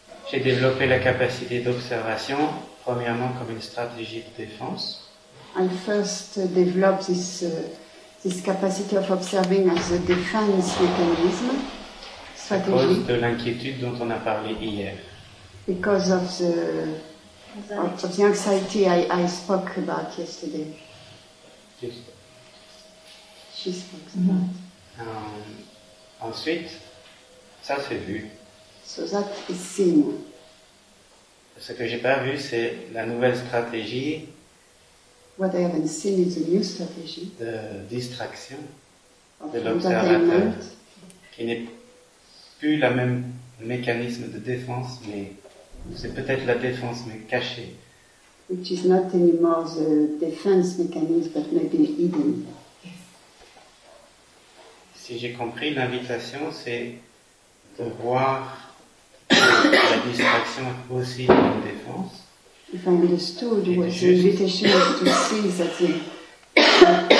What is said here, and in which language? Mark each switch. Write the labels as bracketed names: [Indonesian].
[French] J'ai développé la capacité d'observation, premièrement comme une stratégie de défense. [English] I first developed this capacity of observing as a defense mechanism. Strategy. [French] À cause de l'inquiétude dont on a parlé hier. [English] Because of the anxiety I spoke about yesterday. Just. She spoke about. [French] Ensuite, ça c'est vu. [English] So that is seen. [French] Ce que j'ai pas vu, c'est la nouvelle stratégie. [English] What I haven't seen is a new strategy. [French] De distraction, de l'observateur, qui n'est plus la même mécanisme de défense, mais c'est peut-être la défense mais cachée. [English] Which is not anymore the defense mechanism, but maybe hidden. [French] Si j'ai compris, l'invitation, c'est de voir. La distraction est aussi une défense. [English] If I understood, what the invitation is to see that the